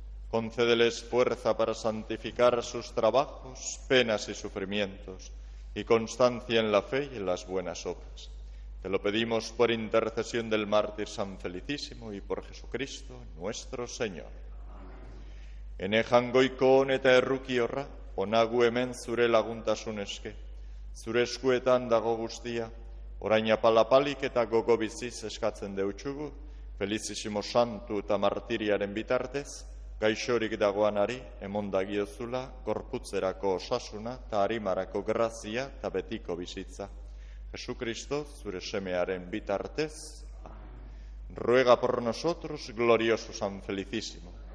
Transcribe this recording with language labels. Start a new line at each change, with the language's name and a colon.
Spanish: Concédeles fuerza para santificar sus trabajos, penas y sufrimientos, y constancia en la fe y en las buenas obras. Te lo pedimos por intercesión del mártir San Felicísimo y por Jesucristo nuestro Señor. Amén.
Basque: Enejan goikon eta errukiorra, onagu hemen zure laguntasunezke. Zure eskuetan dago guztia, orain apalapalik eta gogo biziz eskatzen deutxugu, Felicísimo santu eta martiriaren bitartez, gaixorik dagoanari, emondagiozula, gorputzerako osasuna eta arimarako grazia eta betiko bizitza.
Spanish: Jesucristo,
Basque: zure semearen bitartez,
Spanish: ruega por nosotros, glorioso San Felicísimo.